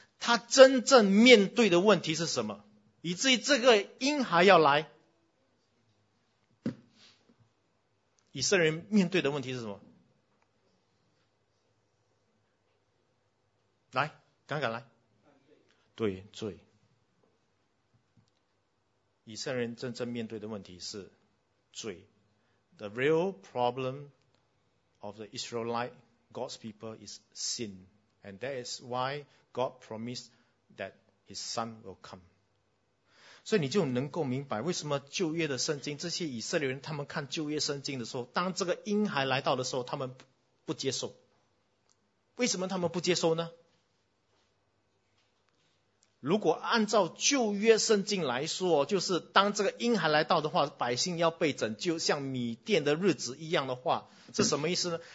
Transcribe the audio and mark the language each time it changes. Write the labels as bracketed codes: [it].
[zh] 他真正面对的问题是什么？以至于这个婴孩要来，以色列人面对的问题是什么？来，敢不敢来？对，罪。以色列人真正面对的问题是罪。 [en] The real problem of the Israelite, God's people, is sin. And that is why God promised that His Son will come. [zh] 所以你就能够明白为什么旧约的圣经，这些以色列人他们看旧约圣经的时候，当这个婴孩来到的时候，他们不接受。为什么他们不接受呢？如果按照旧约圣经来说，就是当这个婴孩来到的话，百姓要被拯救，像米甸的日子一样的话，是什么意思呢？